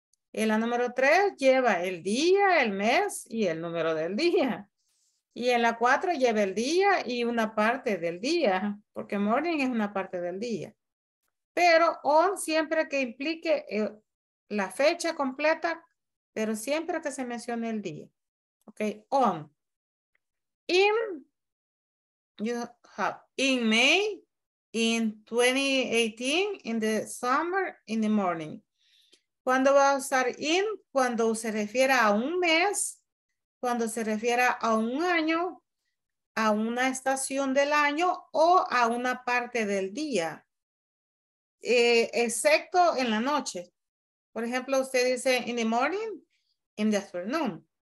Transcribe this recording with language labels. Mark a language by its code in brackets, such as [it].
[es] Y la número tres lleva el día, el mes y el número del día. Y en la cuatro lleva el día y una parte del día, porque morning es una parte del día. Pero on siempre que implique la fecha completa, pero siempre que se mencione el día. [en] Ok, on. In, you have in May, in 2018, in the summer, in the morning. [es] ¿Cuándo va a usar in? Cuando se refiera a un mes, cuando se refiera a un año, a una estación del año o a una parte del día. Excepto en la noche. Por ejemplo, usted dice [en] in the morning, in the afternoon.